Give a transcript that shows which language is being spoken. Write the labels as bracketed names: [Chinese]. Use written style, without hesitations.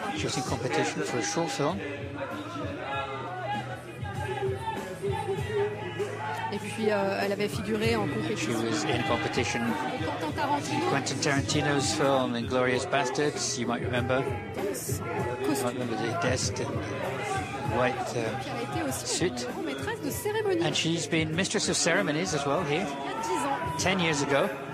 [English] She was in competition for a short film. [French] Et puis elle avait figuré en compétition. [English] She was in competition Tarantino. Quentin Tarantino's film Inglourious Basterds, you might remember. Costume. You might remember the guest in white suit. And she's been mistress of ceremonies as well here. 10 years ago.